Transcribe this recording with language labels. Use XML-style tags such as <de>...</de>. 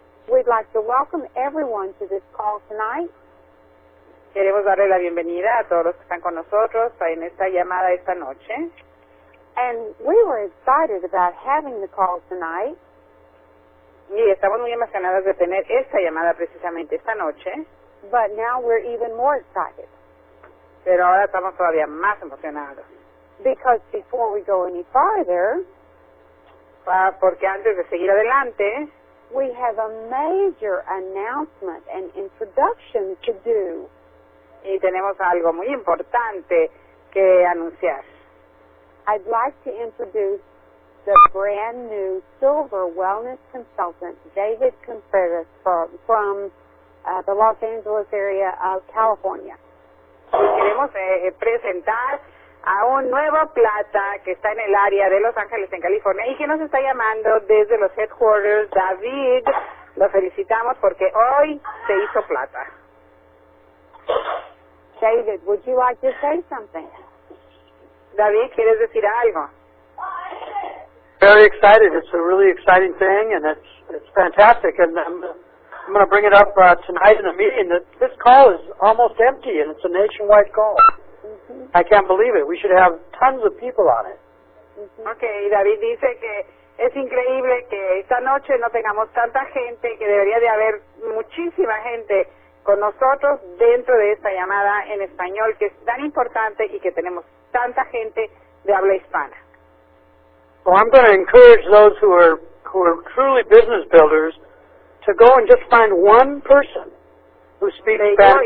<en>We'd like to welcome everyone to this call tonight.</en> <es>Queremos darle la bienvenida a todos los que están con nosotros en esta llamada esta noche.</es> <en>And we were excited about having the call tonight.</en> <es>Y estamos muy emocionados de tener esta llamada precisamente esta noche.</es> <en>But now we're even more excited.</en> <es>Pero ahora estamos todavía más emocionados.</es> <en>Because before we go any farther,</en> <es>porque antes de seguir adelante,</es> <en>we have a major announcement and introduction to do.</en> <es>Y tenemos algo muy importante que anunciar.</es> <en>I'd like to introduce the brand new Silver Wellness Consultant, David Contreras, from the Los Angeles area of California.</en> <es>Y queremos presentar a un nuevo plata que está en el área de Los Ángeles, en California, y que nos está llamando desde los headquarters, David. Lo felicitamos porque hoy se hizo plata.</es> <en>David, would you like to say something?</en> <es>David, ¿quieres decir algo?</es> <en>Very excited. It's a really exciting thing, and it's fantastic. And I'm going to bring it up tonight in a meeting. This call is almost empty, and it's a nationwide call. Mm-hmm. I can't believe it. We should have tons of people on it. Mm-hmm.</en> <es>Okay, David dice que es increíble que esta noche no tengamos tanta gente, que debería de haber muchísima gente con nosotros dentro de esta llamada en español, que es tan importante y que tenemos tanta gente de habla hispana.</es> <en>Well, I'm going to encourage those who are truly business builders to go and just find one person who speaks Spanish.</en>